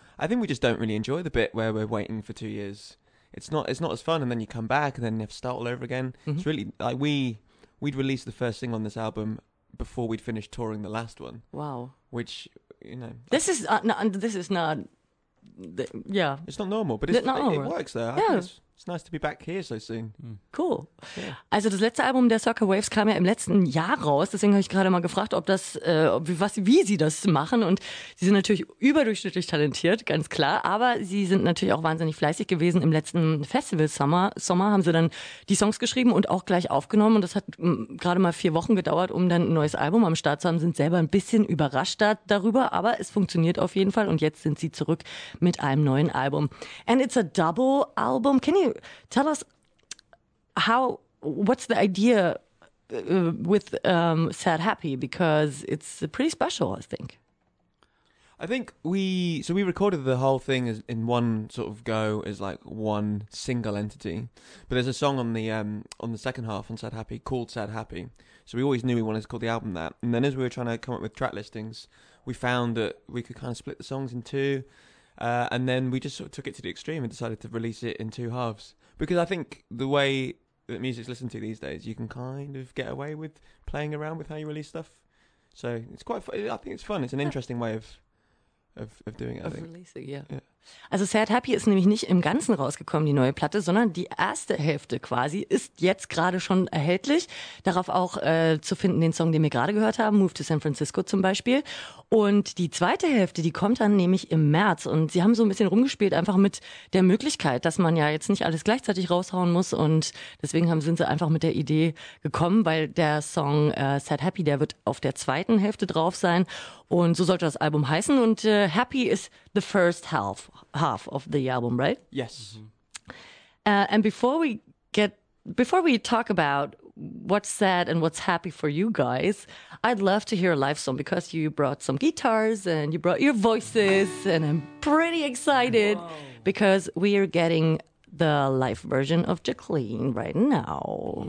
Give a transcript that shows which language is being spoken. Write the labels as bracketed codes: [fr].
[en] I think we just don't really enjoy the bit where we're waiting for 2 years. It's not as fun. And then you come back and then you have to start all over again. Mm-hmm. It's really, like, we'd released the first thing on this album before we'd finished touring the last one. Wow. Which, you know. It's not normal, but it's normal. It works though. Yeah. It's nice to be back here so soon. Mm. Cool. Yeah. [de] Also das letzte Album der Circle Waves kam ja im letzten Jahr raus. Deswegen habe ich gerade mal gefragt, wie sie das machen. Und sie sind natürlich überdurchschnittlich talentiert, ganz klar. Aber sie sind natürlich auch wahnsinnig fleißig gewesen. Im letzten Festival-Sommer haben sie dann die Songs geschrieben und auch gleich aufgenommen. Und das hat gerade mal 4 Wochen gedauert, um dann ein neues Album am Start zu haben. Sind selber ein bisschen überrascht darüber. Aber es funktioniert auf jeden Fall. Und jetzt sind sie zurück mit einem neuen Album. [en] And it's a double album. Can you tell us what's the idea with Sad Happy? Because it's pretty special, I think. I think we recorded the whole thing as in one sort of go as like one single entity. But there's a song on the second half on Sad Happy called Sad Happy. So we always knew we wanted to call the album that. And then as we were trying to come up with track listings, we found that we could kind of split the songs in two. And then we just sort of took it to the extreme and decided to release it in two halves. Because I think the way that music's listened to these days, you can kind of get away with playing around with how you release stuff. So it's quite fun. I think it's fun. It's an interesting way of doing it. Of releasing, yeah. [de] Also Sad Happy ist nämlich nicht im Ganzen rausgekommen, die neue Platte, sondern die erste Hälfte quasi ist jetzt gerade schon erhältlich. Darauf auch zu finden den Song, den wir gerade gehört haben, Move to San Francisco zum Beispiel. Und die zweite Hälfte, die kommt dann nämlich im März. Und sie haben so ein bisschen rumgespielt einfach mit der Möglichkeit, dass man ja jetzt nicht alles gleichzeitig raushauen muss. Und deswegen sind sie einfach mit der Idee gekommen, weil der Song Sad Happy, der wird auf der zweiten Hälfte drauf sein. Und so sollte das Album heißen. [en] Und Happy is the first half of the album, right? Yes. Mm-hmm. And before we talk about what's sad and what's happy for you guys, I'd love to hear a live song because you brought some guitars and you brought your voices, and I'm pretty excited because we are getting the live version of Jacqueline right now.